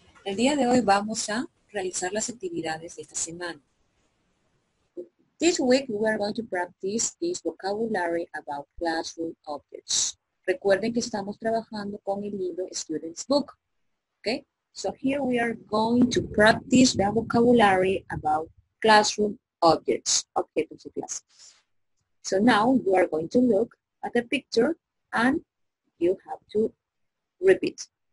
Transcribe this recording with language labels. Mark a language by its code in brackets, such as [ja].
[es] El día de hoy vamos a realizar las actividades de esta semana. [en] This week we are going to practice this vocabulary about classroom objects. [es] Recuerden que estamos trabajando con el libro Students Book. [en] Okay? So here we are going to practice the vocabulary about classroom objects. [es] Objetos de clase. [en] So now you are going to look at the picture and you have to repeat.